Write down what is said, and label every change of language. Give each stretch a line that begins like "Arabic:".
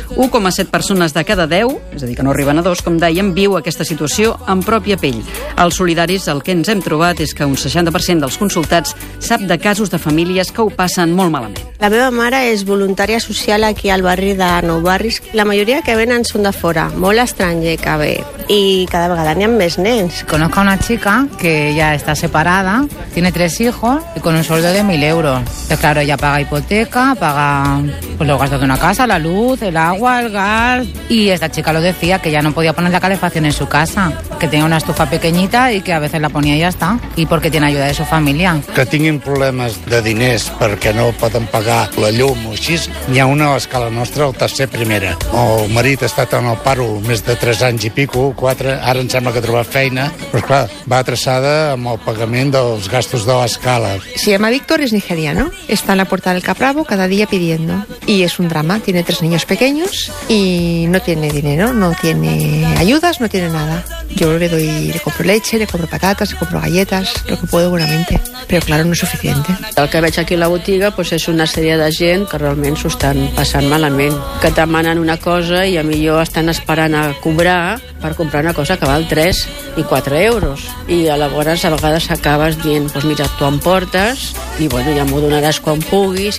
Catalan: 1,7 persones de cada 10, és a dir, que no arriben a 2, com dèiem, viu aquesta situació en pròpia pell. Als solidaris, el que ens hem trobat és que un 60% dels consultats sap de casos de famílies que ho passen molt malament. La meva mare és voluntària social aquí al barri de Nou Barris. La majoria que venen són de fora, molt estranger que ve. I cada vegada n'hi ha més nens.
Spanish: Conozco una chica que ya está separada, tiene 3 hijos y con un sueldo de 1.000 euros. Pues claro, ella paga hipoteca, paga pues, los gastos de una casa, la luz, el agua, el gas. Y esta chica lo decía, que ya no podía poner la calefacción en su casa, que tenía una estufa pequeñita y que a veces la ponía y ya está. Y porque tiene ayuda de su familia.
Catalan: Que tinguin problemes de diners perquè no poden pagar la llum o així, n'hi ha una a l'escala nostra, el tercer primera. El marit ha estat en el paro més de 3 anys i pico, 4, ara em sembla que ha trobat feina, però esclar, va atreçada amb el pagament dels gastos de l'escala.
Spanish: Se llama Víctor, es nigeriano, está en la puerta del Caprabo cada día pidiendo, y es un drama, tiene 3 niños pequeños y no tiene dinero, no tiene ayudas, no tiene nada. Yo le doy, le compro leche, le compro patatas, le compro galletas, lo que puedo buenamente, pero claro, no es suficiente.
Catalan: El que veig aquí a la botiga pues és una sèrie de gent que realment s'ho estan passant malament, que demanen una cosa i a millor estan esperant a cobrar per comprar una cosa que val 3 i 4 euros. I aleshores a vegades acabes dient, pues mira, tu em portes i bueno, ja m'ho donaràs quan puguis.